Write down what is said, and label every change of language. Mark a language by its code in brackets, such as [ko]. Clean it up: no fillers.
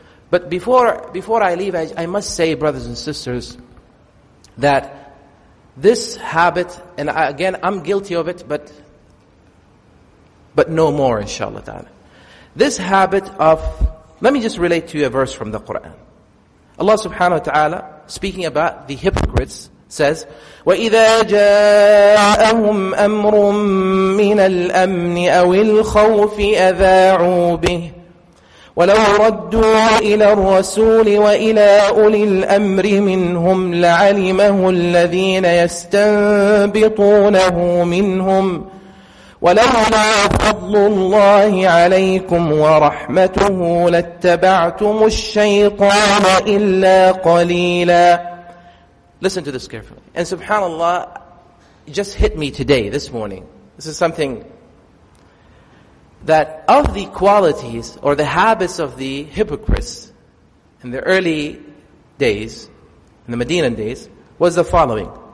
[en] But before I leave, I must say, brothers and sisters, that this habit, and I, again, I'm guilty of it, but no more, inshallah ta'ala. This habit of, let me just relate to you a verse from the Quran. Allah subhanahu wa ta'ala, speaking about the hypocrites, says, [ar] وَإِذَا جَاءَهُمْ أَمْرٌ مِّنَ الْأَمْنِ أَوِ الْخَوْفِ أَذَاعُوا بِهِ وَلَوْ رَدُّوا إِلَى الرَّسُولِ وَإِلَى أُولِي الْأَمْرِ مِنْهُمْ لَعَلِمَهُ الَّذِينَ يَسْتَنْبِطُونَهُ مِنْهُمْ وَلَوْلَا فَضْلُ اللَّهِ عَلَيْكُمْ وَرَحْمَتُهُ لَاتَّبَعْتُمُ الشَّيْطَانَ إِلَّا قَلِيلًا. [en] Listen to this carefully. And subhanAllah, it just hit me today, this morning. This is something that of the qualities or the habits of the hypocrites in the early days, in the Medinan days, was the following.